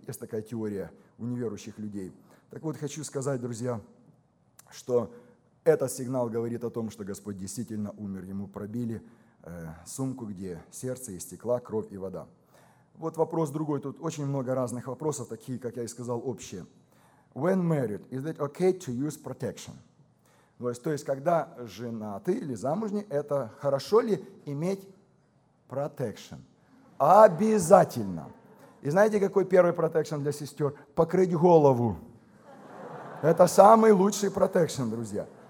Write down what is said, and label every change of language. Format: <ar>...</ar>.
<ru>Есть такая теория у неверующих людей. Так вот, хочу сказать, друзья, что этот сигнал говорит о том, что Господь действительно умер. Ему пробили сумку, где сердце, истекла кровь и вода. Вот вопрос другой. Тут очень много разных вопросов, такие, как я и сказал, общие.</ru> <en>When married, is it okay to use protection?</en> <ru>То есть, когда женаты или замужни, это хорошо ли иметь протекшн? Обязательно. И знаете, какой первый протекшн для сестер? Покрыть голову. Это самый лучший протекшн, друзья.</ru>